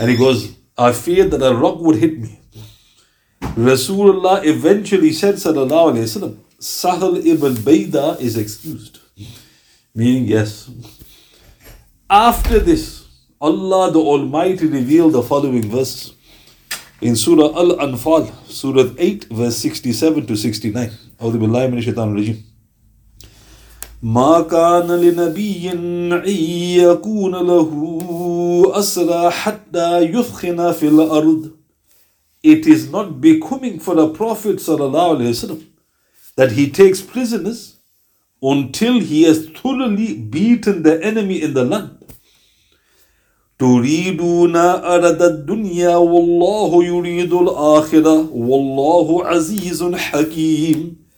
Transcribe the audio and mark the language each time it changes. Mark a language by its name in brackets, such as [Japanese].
[English] And he goes, I feared that a rock would hit me. Rasulullah eventually said, sallallahu alayhi wa sallam, Sahl ibn Bayda is excused. Meaning, yes. After this, Allah the Almighty revealed the following verse in Surah Al-Anfal, Surah 8, verse 67 to 69. [Arabic] أعوذ بالله من الشيطان الرجيم ما كان لنبي أن يكون له أسرى حتى يثخن في الأرض. [English] It is not becoming for a prophet [Arabic] صلى الله عليه وسلم [English] that he takes prisoners until he has thoroughly beaten the enemy in the land. [Arabic] تريدون أرض الدنيا والله يريد الآخرة والله عزيز حكيم.